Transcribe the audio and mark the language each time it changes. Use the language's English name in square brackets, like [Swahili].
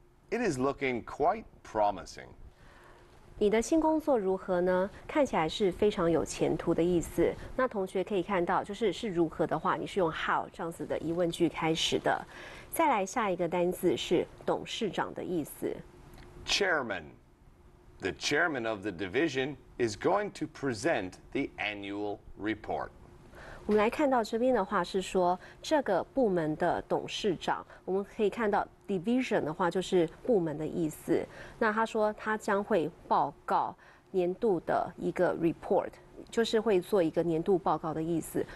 [English] It is looking quite promising. [Chinese] 你的新工作如何呢？看起来是非常有前途的意思。那同学可以看到，就是是如何的话，你是用 how 这样子的疑问句开始的。再来下一个单字是董事长的意思。 [English] Chairman. The chairman of the division is going to present the annual report. [Chinese] 我们来看到这边的话是说这个部门的董事长，我们可以看到 division 的话就是部门的意思。那他说他将会报告年度的一个 report， 就是会做一个年度报告的意思。